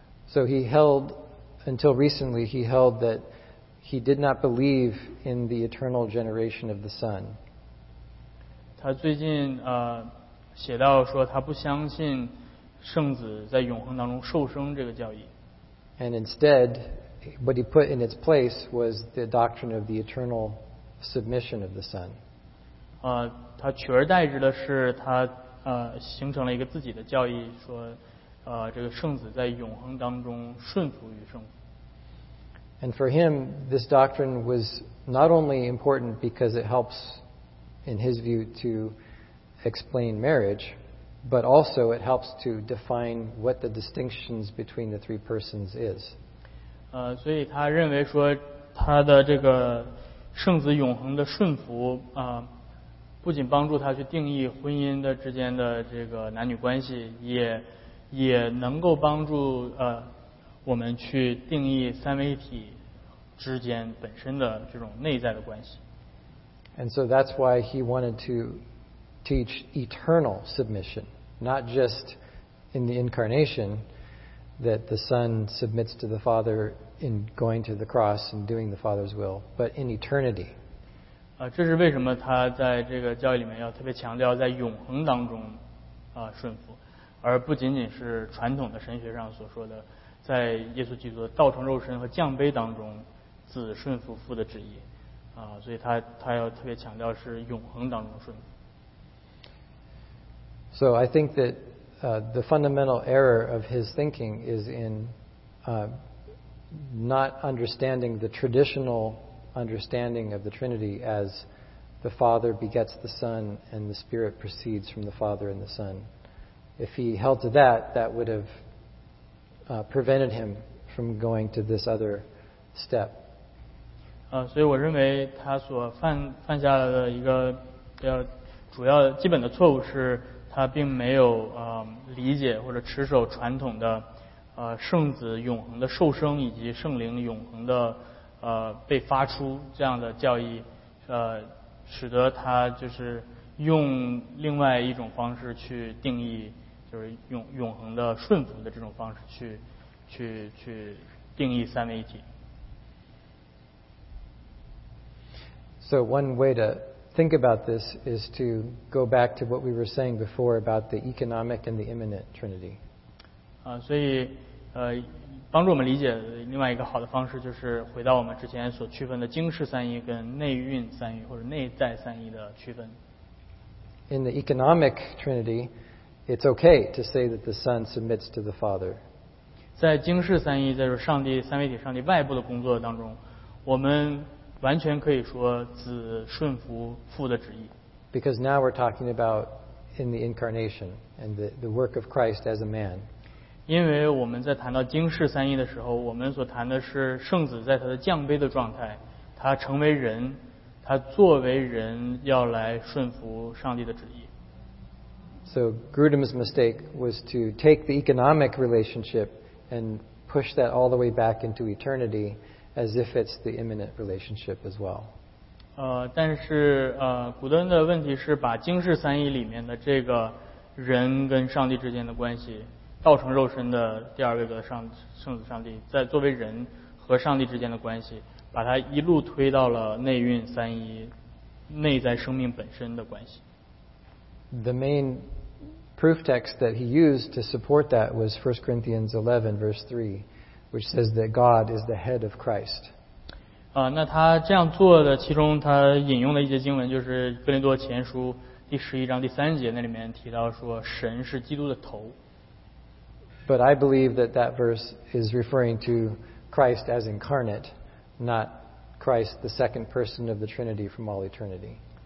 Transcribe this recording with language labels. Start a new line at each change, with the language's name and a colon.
English: So he held, until recently, he held that he did not believe in the eternal generation of the Son.
Chinese: 他最近写到说他不相信圣子在永恒当中受生这个教义。
English: And instead, what he put in its place was the doctrine of the eternal submission of the Son.
Chinese: 他取而代之的是他形成了一个自己的教义，说这个圣子在永恒当中顺服于圣父。
English: And for him, this doctrine was not only important because it helps, in his view, to explain marriage, but also it helps to define what the distinctions between the three persons is.
Chinese: 所以他认为说他的这个圣子永恒的顺服不仅帮助他去定义婚姻的之间的这个男女关系，也能够帮助我们去定义三位一体之间本身的这种内在的关系。
English: And so that's why he wanted to teach eternal submission, not just in the incarnation, that the Son submits to the Father in going to the cross and doing the Father's will, but in eternity.
Chinese: 这是为什么他在这个教义里面要特别强调在永恒当中顺服。而不仅仅是传统的神学上所说的在耶稣基督的道成肉身和降杯当中子顺服父的旨意所以他要特别强调是永恒当中顺服。
English: So I think that the fundamental error of his thinking is in not understanding the traditional understanding of the Trinity as the Father begets the Son and the Spirit proceeds from the Father and the Son. If he held to that, that would have prevented him from going to this other step.
Chinese: 所以我认为他所犯下的一个主要基本的错误是他并没有理解或者持守传统的圣子永恒的受生以及圣灵永恒的被发出这样的教义使得他就是用另外一种方式去定义就是永恒的顺服的这种方式去定义三位一体。
English: So one way to think about this is to go back to what we were saying before about the economic and the immanent Trinity.
Chinese: 所以帮助我们理解另外一个好的方式就是回到我们之前所区分的经世三一跟内蕴三一或者内在三一的区分。
English: In the economic Trinity,It's okay to say that the Son submits to the Father.
Chinese: 在经世三一，在上帝三位体上帝外部的工作当中，我们完全可以说子顺服父的旨意。
English: Because now we're talking about in the incarnation and the work of Christ as a man.
Chinese: 因为我们在谈到经世三一的时候，我们所谈的是圣子在他的降卑的状态，他成为人，他作为人要来顺服上帝的旨意。
English: So Grudem's mistake was to take the economic relationship and push that all the way back into eternity as if it's the imminent relationship as well.
Chinese: 但是古德恩的问题是把经世三一里面的这个人跟上帝之间的关系。道成肉身的第二位的圣子上帝，在作为人和上帝之间的关系，把他一路推到了内蕴三一，内在生命本身的关系。
English: The main proof text that he used to support that was 1 Corinthians 11 verse 3, which says that God is the head of Christ.
Chinese: 那他这样做的其中，他引用的一些经文就是《哥林多前书》第十一章第三节，那里面提到说，神是基督的头。
English: But I believe that that verse is referring to Christ as incarnate, not Christ, the second person of the Trinity from all eternity.